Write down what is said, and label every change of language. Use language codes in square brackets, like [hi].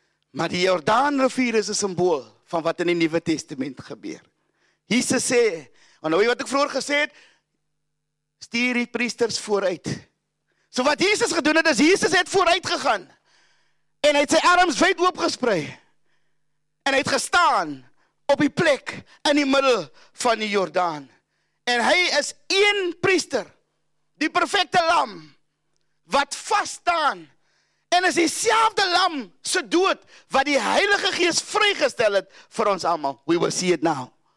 [af] Maar die Jordaanrivier is 'n simbool van wat in die Nuwe Testament gebeur. Jesus sê, en nou wat ek vroeër gesê het, stuur die priesters vooruit. So wat Jesus gedoen het, is Jesus het vooruit gegaan. En hy het sy arms wyd oopgesprei. En hy het gestaan op die plek in die middel van die Jordaan. En hy is een priester, die perfekte lam, wat vas staan. En is dieselfde lam se dood, wat die Heilige Gees vrygestel het vir ons allemaal. [en] We will see it now.